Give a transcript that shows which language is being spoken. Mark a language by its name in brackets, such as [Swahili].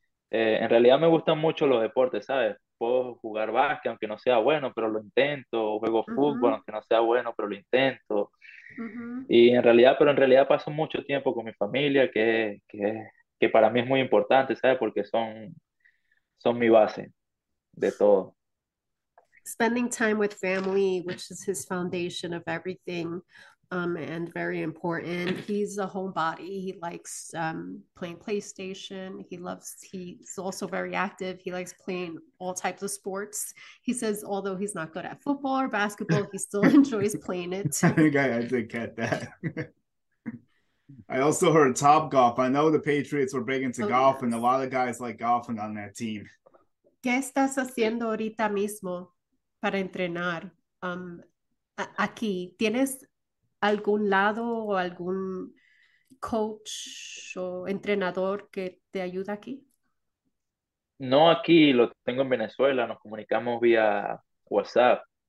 [Spanish] En realidad me gustan mucho los deportes, ¿sabes? Puedo jugar básquet, aunque no sea bueno, pero lo intento. Juego fútbol, aunque no sea bueno, pero lo intento. Y en realidad paso mucho tiempo con mi familia, que para mí es muy importante, ¿sabes? Porque son mi base de todo. [English] Spending time with family, which is his foundation of everything, and very important. He's a homebody. He likes playing PlayStation. He's also very active. He likes playing all types of sports. He says, although he's not good at football or basketball, he still enjoys playing it. I think I did get that. I also heard Topgolf. I know the Patriots were big into Oh, golf, and a yes. lot of guys like golfing on that team. [Spanish] ¿Estás haciendo ahorita mismo? Para entrenar, aquí, ¿tienes algún lado o algún coach o entrenador que te ayude aquí? No aquí, lo tengo en Venezuela, nos comunicamos vía WhatsApp.